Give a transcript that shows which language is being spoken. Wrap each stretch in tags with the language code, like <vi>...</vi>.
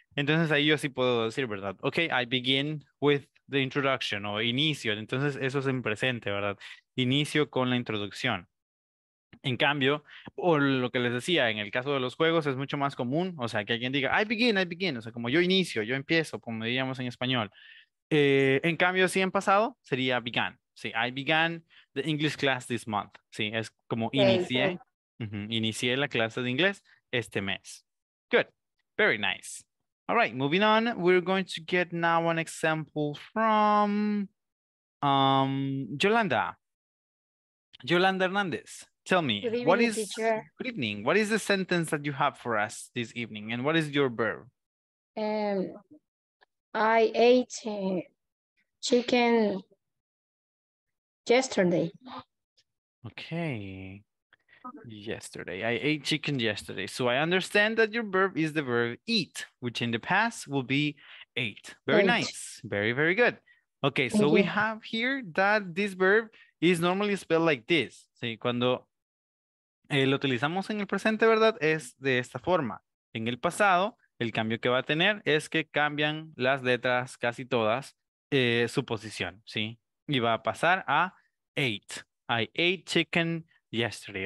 <es>Entonces ahí yo sí puedo decir, ¿verdad? Ok,</es> <en>I begin with the introduction</en> <es>o inicio. Entonces eso es en presente, ¿verdad? Inicio con la introducción. En cambio, o lo que les decía, en el caso de los juegos es mucho más común, o sea, que alguien diga,</es> <en>I begin,</en> <es>o sea, como yo inicio, yo empiezo, como diríamos en español. En cambio, si en pasado, sería began.</es> <en>Sí, I began the English class this month.</en> <es>Sí, es como inicié, uh-huh, inicié la clase de inglés este mes.</es> <en>Good, very nice. All right, moving on, we're going to get now an example from Yolanda. Yolanda Hernandez, tell me, good evening. What is the sentence that you have for us this evening and what is your verb? I ate chicken yesterday. Okay. Yesterday. I ate chicken yesterday. So I understand that your verb is the verb eat, which in the past will be ate. Very nice. Very, very good. Okay, so we have here that this verb is normally spelled like this.</en> <es>Sí, cuando lo utilizamos en el presente, ¿verdad? Es de esta forma. En el pasado, el cambio que va a tener es que cambian las letras casi todas su posición, ¿sí? Y va a pasar a ate.</es> <en>I ate chicken yesterday.</en>